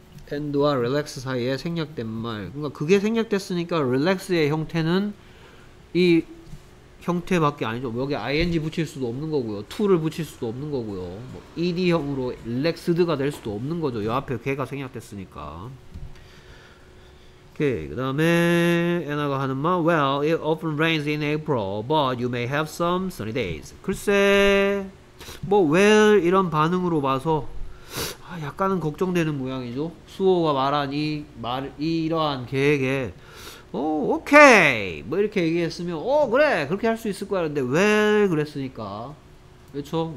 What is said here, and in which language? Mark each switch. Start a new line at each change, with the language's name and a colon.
Korean: 엔드와 릴렉스 사이에 생략된 말. 그러니까 그게 생략됐으니까 릴렉스의 형태는 이 형태밖에 아니죠. 여기 ing 붙일 수도 없는 거고요. to를 붙일 수도 없는 거고요. 뭐 ed형으로 릴렉스드가 될 수도 없는 거죠. 요 앞에 걔가 생략됐으니까. 오케이. 그다음에 에나가 하는 말.
English: Well, it often rains in April, but you may have some sunny days.
Korean: 글쎄. 뭐 well 이런 반응으로 봐서 약간은 걱정되는 모양이죠. 수호가 말한 이 말, 이러한 계획에 오, 오케이! 뭐 이렇게 얘기했으면 오, 그래! 그렇게 할 수 있을 거야. 근데 well 그랬으니까 그렇죠?